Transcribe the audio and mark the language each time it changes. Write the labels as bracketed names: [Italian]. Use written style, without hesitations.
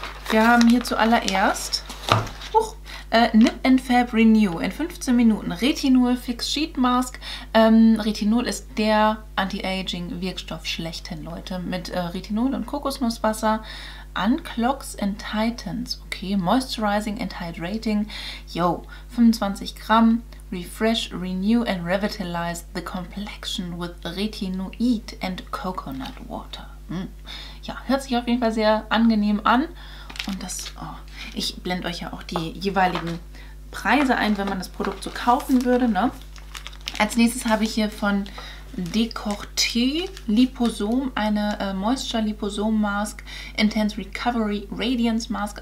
[German] Wir haben hier zuallererst Nip and Fab Renew in 15 Minuten Retinol Fix Sheet Mask. Retinol ist der Anti-Aging-Wirkstoff schlechthin, Leute. Mit Retinol und Kokosnusswasser. [English] Unclogs and Tightens. Okay, Moisturizing and Hydrating. Yo, 25 Gramm. Refresh, Renew and Revitalize the Complexion with Retinoid and Coconut Water. Mm. [German] Ja, hört sich auf jeden Fall sehr angenehm an. Und das, oh, ich blende euch ja auch die jeweiligen Preise ein, wenn man das Produkt so kaufen würde, ne? Als nächstes habe ich hier von Décolleté Liposom eine Moisture Liposom Mask Intense Recovery Radiance Mask.